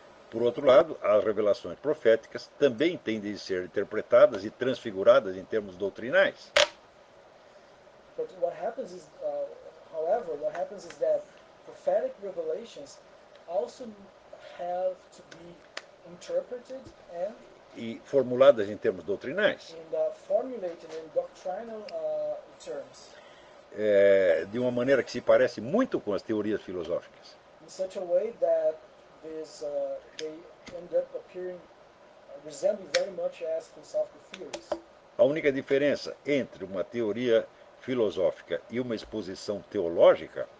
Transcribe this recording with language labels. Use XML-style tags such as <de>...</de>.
<pt>Por outro lado, as revelações proféticas também tendem a ser interpretadas e transfiguradas em termos doutrinais.</pt> <en>But what happens is, however, what happens is that prophetic revelations also have to be interpreted and</en> <pt>e formuladas em termos doutrinais.</pt> <en>And, formulated in doctrinal terms.</en> <pt>É, de uma maneira que se parece muito com as teorias filosóficas.</pt> <en>In such a way that is they end up appearing resembling very much as philosophical theories.</en> <pt>A única diferença entre uma teoria filosófica e uma exposição teológica,</pt>